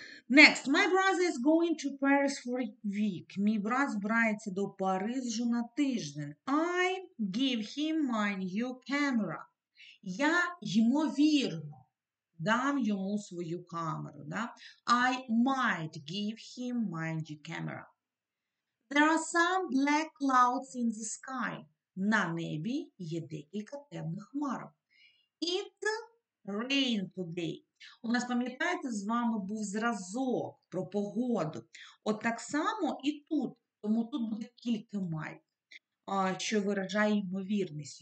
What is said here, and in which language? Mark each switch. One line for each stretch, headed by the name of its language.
English: Next. My brother is going to Paris for a week.
Ukrainian: Мій брат збирається до Парижу на тиждень.
English: I give him my new camera.
Ukrainian: Я, ймовірно, дам йому свою камеру.
English: Да? I might give him my new camera. There are some black clouds in the sky.
Ukrainian: На небі є декілька темних хмарок.
English: It rained today.
Ukrainian: У нас, пам'ятаєте, з вами був зразок про погоду. От так само і тут. Тому тут буде кілька май. що виражає ймовірність.